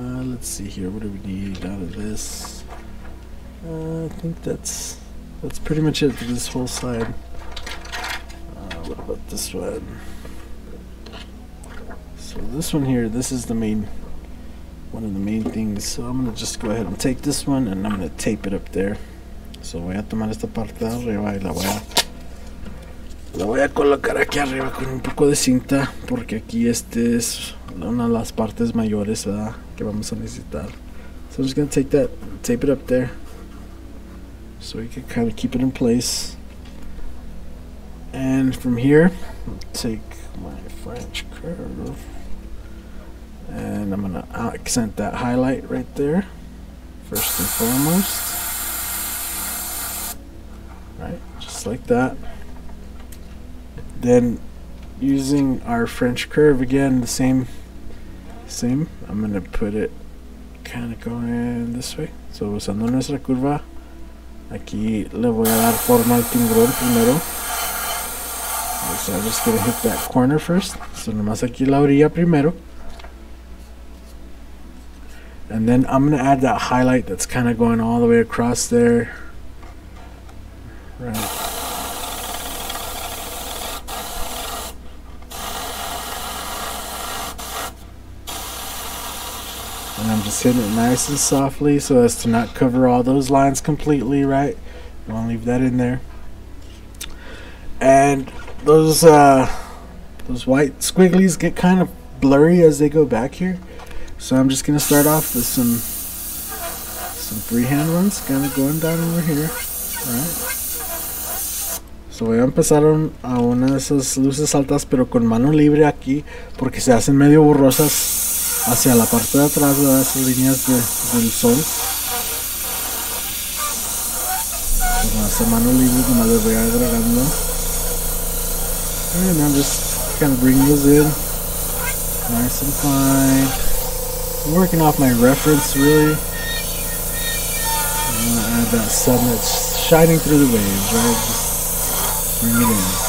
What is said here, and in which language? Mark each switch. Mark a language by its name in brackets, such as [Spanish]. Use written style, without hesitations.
[English] Let's see here, what do we need out of this? I think that's pretty much it for this whole side. What about this one? So this one here, this is the main, one of the main things. So I'm going to just go ahead and take this one and I'm going to tape it up there. [Spanish] So voy a tomar esta parte de arriba y la voy a colocar aquí arriba con un poco de cinta, porque aquí este es una de las partes mayores, ¿verdad? Que vamos a necesitar. [English] So I'm just going to take that, tape it up there, so we can kind of keep it in place. And from here, take my French curve, and I'm going to accent that highlight right there, first and foremost. Right, just like that. Then, using our French curve again, the same, I'm going to put it kind of going this way. [Spanish] So, usando nuestra curva, aquí le voy a dar forma al tiburón primero. [English] So, I'm just going to hit that corner first. So, [Spanish] nomás aquí la orilla primero. [English] And then, I'm going to add that highlight that's kind of going all the way across there. Right. And I'm just hitting it nice and softly so as to not cover all those lines completely, right? You want to leave that in there. And those white squigglies get kind of blurry as they go back here. So I'm just going to start off with some freehand ones kind of going down over here, right? [Spanish] So voy a empezar a una de esas luces altas pero con mano libre aquí porque se hacen medio borrosas. Hacia la parte de atrás de las líneas del sol. Con esa mano libre que me lo voy agregando. [English] And I'm just kind of bringing this in. Nice and fine. I'm working off my reference really. I'm going to add that sun that's shining through the waves, right? Just bring it in.